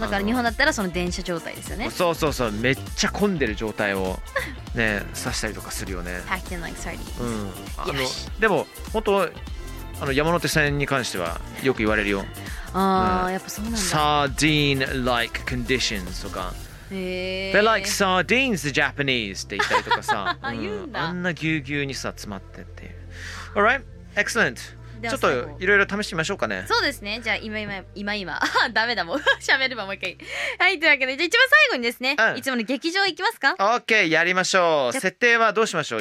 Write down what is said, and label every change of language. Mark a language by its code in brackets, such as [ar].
[ja] だから日本だったらその電車状態ですよね。そうそうそう、めっちゃ混んでる状態をね、刺したりとかするよね。 [en] Packed in like sardines、 [ja] うん、あのでも本当あの山手線に関してはよく言われるよ。ああ、うん、やっぱそうなんだ。 [en] Sardine like conditions とか。 They like sardines the Japanese [ja] って言ったりとかさ、うん、言うんだ。あんなぎゅうぎゅうにさ詰まってっていう。 [en] All right, excellent。 [ja] ちょっといろいろ試してみましょうかね。そうですね。じゃあ今ダメだもん。喋ればもう一回。はい、というわけでじゃあ一番最後にですね、うん、いつもの劇場行きますか。オッケー、やりましょう。設定はどうしましょう。